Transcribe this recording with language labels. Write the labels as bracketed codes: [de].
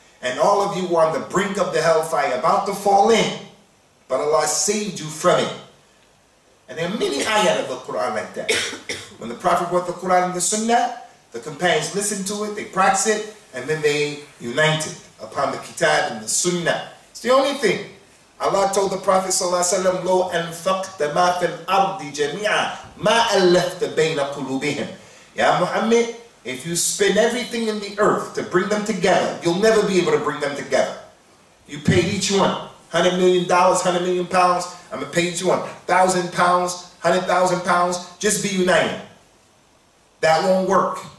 [en] And all of you were on the brink of the hellfire, about to fall in. But Allah saved you from it. And there are many ayat of the Quran like that. When the Prophet brought the Quran and the Sunnah, the companions listened to it, they practiced it, and then they united upon the Kitab and the Sunnah. It's the only thing. Allah told the Prophet ﷺ, [ar] لو أنفقت ما في الأرض جميعا ما ألفت بين قلوبهم. [en] Ya Muhammad, if you spend everything in the earth to bring them together, you'll never be able to bring them together. You pay each one $100 million, £100 million, I'm going to pay each one £1,000, £100,000, just be united. That won't work.